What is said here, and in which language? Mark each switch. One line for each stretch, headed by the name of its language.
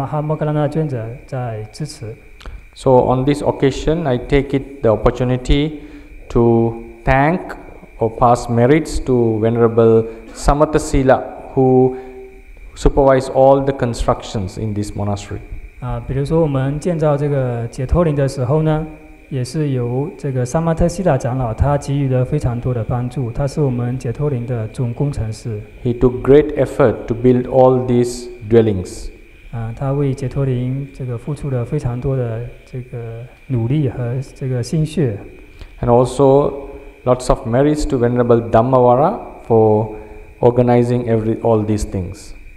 Chinese: 我们这个维萨卡那个女施主，这个她供养寺院给我们的僧团，也是由这个我们的Mahamoggallana尊者在支持。
English: So on this occasion, I take it the opportunity to thank or pass merits to Venerable Samatha Sila, who supervised all the constructions in this monastery.
Chinese: 比如说我们建造这个解脱林的时候呢，也是由这个Samatha Sila长老他给予了非常多的帮助，他是我们解脱林的总工程师。
English: He took great effort to build all these dwellings.
Chinese: 他为解脱林这个付出了非常多的这个努力和这个心血。
English: And also lots of merits to Venerable Dhammavara for organizing all these things.